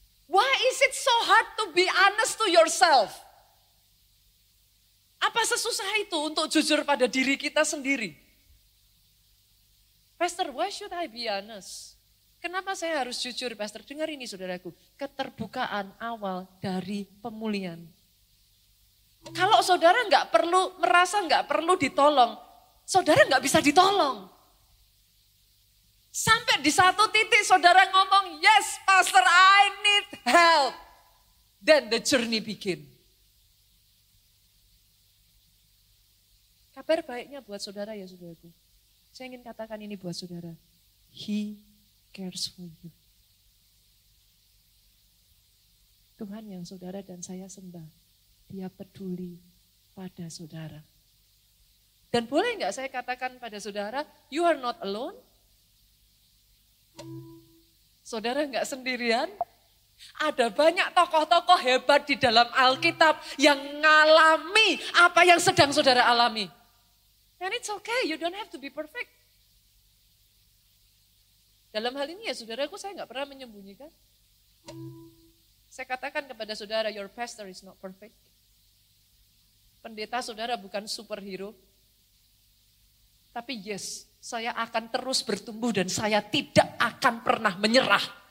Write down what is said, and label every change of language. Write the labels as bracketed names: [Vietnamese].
[English] Why is it so hard to be honest to yourself? [Indonesian] Apa sesusah itu untuk jujur pada diri kita sendiri? [English] Pastor, why should I be honest? [Indonesian] Kenapa saya harus jujur, Pastor? Dengar ini, saudaraku. Keterbukaan awal dari pemulihan. Kalau saudara gak perlu, merasa gak perlu ditolong, saudara gak bisa ditolong. Sampai di satu titik saudara ngomong, [English] yes, Pastor, I need help. Then the journey begin. [Indonesian] Kabar baiknya buat saudara ya, saudaraku. Saya ingin katakan ini buat saudara. [English] He cares for you. [Indonesian] Tuhan yang saudara dan saya sembah, dia peduli pada saudara. Dan boleh enggak saya katakan pada saudara, [English] you are not alone. [Indonesian] Saudara enggak sendirian. Ada banyak tokoh-tokoh hebat di dalam Alkitab yang ngalami apa yang sedang saudara alami. [English] And it's okay, you don't have to be perfect. [Indonesian] Dalam hal ini ya saudaraku, saya enggak pernah menyembunyikan. Saya katakan kepada saudara, [English] your pastor is not perfect. [Indonesian] Pendeta saudara bukan superhero. Tapi yes, saya akan terus bertumbuh dan saya tidak akan pernah menyerah.